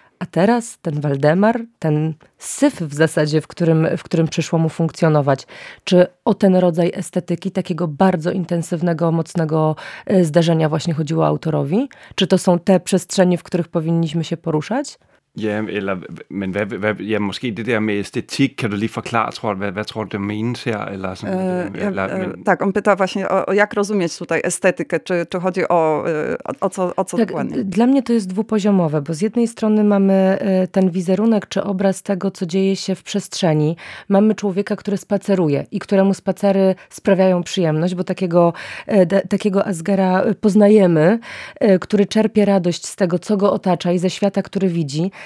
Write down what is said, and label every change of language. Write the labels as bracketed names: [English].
[Polish] A teraz ten Waldemar, ten syf w zasadzie, w którym przyszło mu funkcjonować. Czy o ten rodzaj estetyki, takiego bardzo intensywnego, mocnego zdarzenia właśnie chodziło autorowi? Czy to są te przestrzenie, w których powinniśmy się poruszać? [Danish] Ja, eller men hvad, hvad, ja, måske det der med æstetik, kan du lige forklare, tror du, hvad, hvad tror du, det menes her? Eller sådan, eller, men... [Polish] Tak, on pyta właśnie, o jak rozumieć tutaj estetykę, czy chodzi o co dokładnie? Dla mnie to jest dwupoziomowe, bo z jednej strony mamy ten wizerunek, czy obraz tego, co dzieje się w przestrzeni. Mamy człowieka, który spaceruje i któremu spacery sprawiają przyjemność, bo takiego Asgera poznajemy, który czerpie radość z tego, co go otacza i ze świata, który widzi.